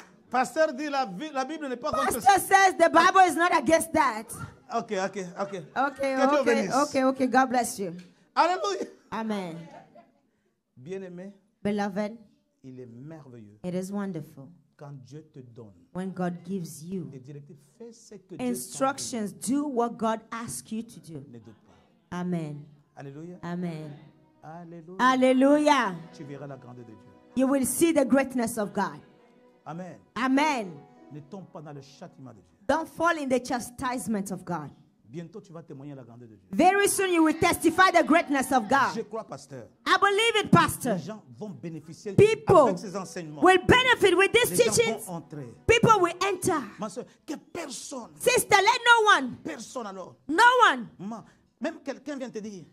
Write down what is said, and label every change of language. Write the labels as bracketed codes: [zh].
[fr] Pasteur dit la Bible n'est pas contre ça. [en] Pastor says the Bible is not against that. Okay. God bless you. Alléluia. Amen. [fr] Bien-aimé. [en] Beloved. [fr] Il est merveilleux. [en] It is wonderful. [fr] Quand Dieu te donne. [en] When God gives you. [fr] Des directives, fais ce que [en] instructions, [fr] Dieu [en] do what God asks you to do. [fr] Ne doute pas. Amen. Alléluia. Amen. Alléluia. Alléluia. Tu verras la grandeur de Dieu. [en] You will see the greatness of God. Amen. Amen. [fr] Ne tombe pas dans le châtiment de Dieu. [en] Don't fall in the chastisement of God. [fr] Bientôt, tu vas témoigner la grandeur de Dieu. [en] Very soon you will testify the greatness of God. [fr] Je crois, pasteur. [en] I believe it, pastor. [fr] Les gens vont bénéficier [en] people [fr] avec ces enseignements. [en] Will benefit with these [fr] les [en] teachings. [fr] Gens vont entrer. [en] People will enter. [fr] Ma soeur, que personne. [en] Sister, let no one. [fr] Personne alors. [en] No one. [fr] Ma, même quelqu'un vient te dire.